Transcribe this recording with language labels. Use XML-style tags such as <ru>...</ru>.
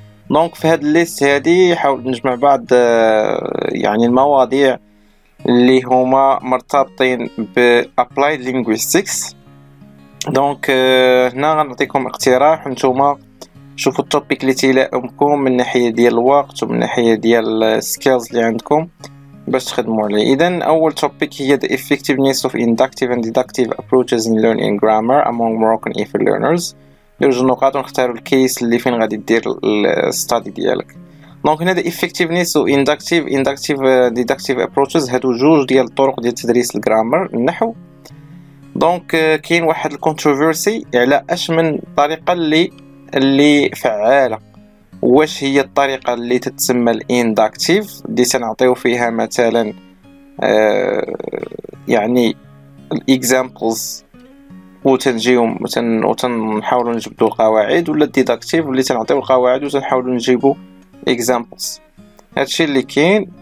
<ar>دونك في هاد الليست هادي حاول نجمع بعض يعني المواضيع اللي هما مرتبطين بابلايد لينغويستكس. دونك هنا غنعطيكم اقتراح، نتوما شوفوا التوبيك اللي تلائمكم من ناحيه ديال الوقت ومن ناحيه ديال السكيلز اللي عندكم باش تخدموا عليه. اذا اول توبيك هي</ar> <en>the effectiveness of inductive and deductive approaches in learning grammar among Moroccan EFL learners.</en> <ar>جوج نقاط ونختاروا الكيس اللي فين غادي دير الستادي ديالك. دونك هنا</ar> <en>the effectiveness of inductive and deductive approaches،</en> <ar>هادو جوج ديال الطرق ديال تدريس الجرامر النحو. دونك كاين واحد الكونتروفيرسي على اش من طريقه اللي فعاله، واش هي الطريقة اللي تتسمى الانداكتيف دي سنعطيو فيها مثلا يعني الاكزامبلز وتنجيهم وتنحاولو نجبدو القواعد، ولا الديداكتيف اللي سنعطيو القواعد وتنحاولو نجيبو اكزامبلز. هادشي اللي كاين.</ar>